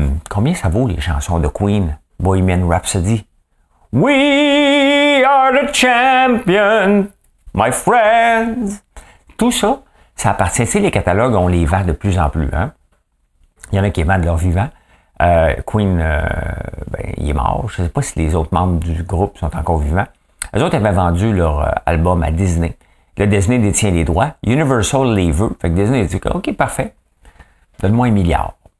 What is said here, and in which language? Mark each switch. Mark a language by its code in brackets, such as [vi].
[fr] Combien ça vaut les chansons de Queen, Bohemian Rhapsody? [en] We are the champion, my friends. [fr] Tout ça, ça appartient. Tu sais, les catalogues, on les vend de plus en plus. Hein? Il y en a qui vendent leur vivant. Queen, ben, il est mort. Je ne sais pas si les autres membres du groupe sont encore vivants. Eux autres avaient vendu leur album à Disney. Le Disney détient les droits. Universal les veut. Fait que Disney dit, OK, parfait. Donne-moi 1 milliard.